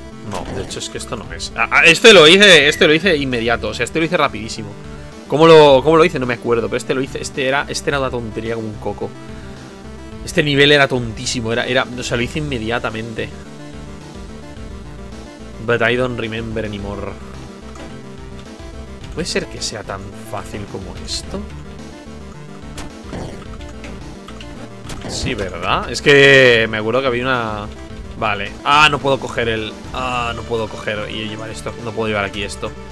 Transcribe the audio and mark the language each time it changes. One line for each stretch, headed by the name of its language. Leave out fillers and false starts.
Spanish: No, de hecho es que esto no es. Este lo hice inmediato, o sea, este lo hice rapidísimo. ¿Cómo lo hice? No me acuerdo, pero este lo hice. Este era una tontería como un coco. Este nivel era tontísimo, era. O sea, lo hice inmediatamente.
English: But I don't remember anymore.
Spanish: ¿Puede ser que sea tan fácil como esto? Sí, ¿verdad? Es que me acuerdo que había una. Vale. Ah, no puedo coger el. Ah, no puedo coger y llevar esto. No puedo llevar aquí esto.